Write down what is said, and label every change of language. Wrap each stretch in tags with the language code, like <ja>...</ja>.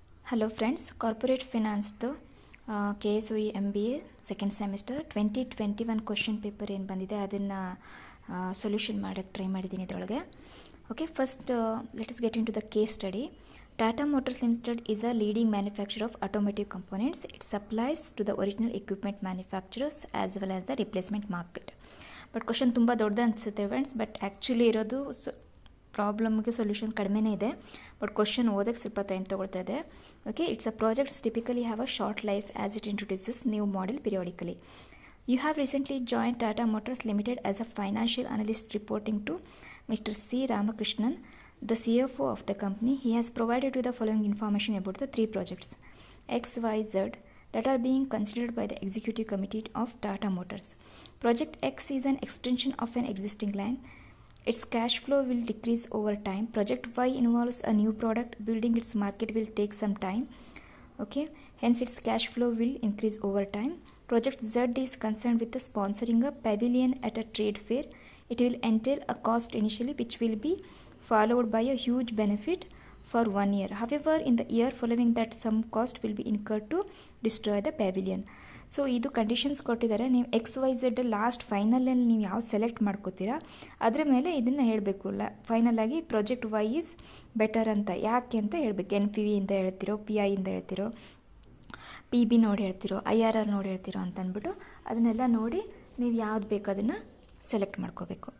<kn>Hello friends, corporate ఫినాన్స్తో కేఎస్ఓఇ MBA second semester 2021 question paper ಏನು ಬಂದಿದೆ ಅದನ್ನು ಸೊಲ್ಯೂಷನ್ ಮಾಡೋಕ್ಕೆ ಟ್ರೈ ಮಾಡಿದ್ದೀನಿ ಇದರೊಳಗೆ.</kn> <en>Okay, first let us get into the case study. Tata Motors Limited is a leading manufacturer of automotive components. It supplies to the original equipment manufacturers as well as the replacement market.</en> <kn>But question ತುಂಬ ದೊಡ್ಡ ಅನಿಸುತ್ತೆ friends, but actually ಇರೋದು ಪ್ರಾಬ್ಲಮ್ಗೆ solution ಕಡಿಮೆನೇ ಇದೆ, but question ಓದಕ್ಕೆ ಸ್ವಲ್ಪ time ತೊಗೊಳ್ತಾ ಇದೆ.</kn> <en>Okay, it's a projects typically have a short life as it introduces new model periodically. You have recently joined Tata Motors Limited as a financial analyst reporting to mister C Ramakrishnan, the C F O of the company. He has provided with the following information about the three projects X Y Z that are being considered by the executive committee of Tata Motors. Project X is an extension of an existing line. Its cash flow will decrease over time. Project Y involves a new product. Building its market will take some time. Okay, hence its cash flow will increase over time. Project Z is concerned with the sponsoring a pavilion at a trade fair. It will entail a cost initially, which will be followed by a huge benefit for 1 year. However, in the year following that, some cost will be incurred to destroy the pavilion.</en> <kn>So ಇದು conditions ಕೊಟ್ಟಿದ್ದಾರೆ. ನೀವು X Y Z last ಫೈನಲಲ್ಲಿ ನೀವು ಯಾವ select ಮಾಡ್ಕೋತೀರಾ ಅದರ ಮೇಲೆ ಇದನ್ನು ಹೇಳಬೇಕು. ಫೈನಲಾಗಿ project Y is better ಅಂತ ಯಾಕೆ ಅಂತ ಹೇಳಬೇಕು. ಎನ್ ಪಿ ವಿಯಿಂದ ಹೇಳ್ತಿರೋ, ಪಿ ಐಯಿಂದ ಹೇಳ್ತಿರೋ, ಪಿ ಬಿ ನೋಡಿ ಹೇಳ್ತಿರೋ, ಐ ಆರ್ ಆರ್ ನೋಡಿ ಹೇಳ್ತಿರೋ ಅಂತಂದ್ಬಿಟ್ಟು ಅದನ್ನೆಲ್ಲ ನೋಡಿ ನೀವು ಯಾವ್ದು ಬೇಕು ಅದನ್ನು ಸೆಲೆಕ್ಟ್ ಮಾಡ್ಕೋಬೇಕು.</kn>